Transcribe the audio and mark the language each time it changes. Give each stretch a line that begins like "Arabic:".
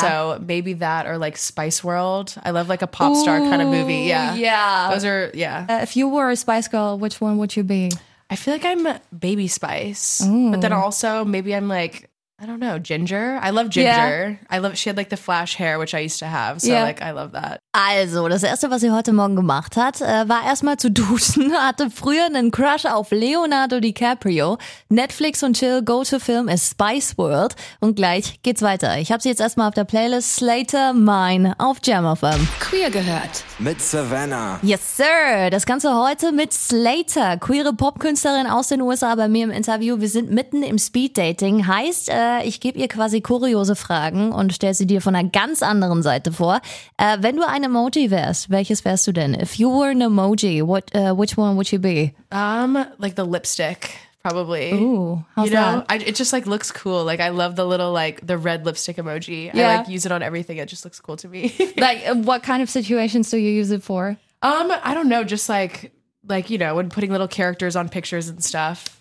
English: So maybe that or like Spice World. I love like a pop star kind of movie. Yeah. Yeah. Those are, yeah. If you were a Spice Girl, which one would you be? I feel like I'm Baby Spice. But then also maybe I'm like, I don't know, Ginger. I love Ginger. Yeah. She had like the flash hair, which I used to have. So like, I love that.
German: Also, das Erste, was sie heute Morgen gemacht hat, war erstmal zu duschen. Hatte früher einen Crush auf Leonardo DiCaprio. Netflix und Chill Go-To-Film ist Spice World. Und gleich geht's weiter. Ich habe sie jetzt erstmal auf der Playlist Slater Mine auf Jam FM. Queer gehört. Mit Savannah.
English: Yes, sir.
German: Das Ganze heute mit Slater, queere Popkünstlerin aus den USA bei mir im Interview. Wir sind mitten im Speed-Dating. Heißt, ich gebe ihr quasi kuriose Fragen und stelle sie dir von einer ganz anderen Seite vor. Wenn du ein Emoji wärst, welches wärst du denn?
English: If you were an emoji, what which one would you be? Like the lipstick, probably. Ooh, how's you know that? It just like looks cool. Like I love the little like the red lipstick emoji. Yeah. I like use it on everything. It just looks cool to me. Like what kind of situations do you use it for? I don't know, just like, like, you know, when putting little characters on pictures and stuff.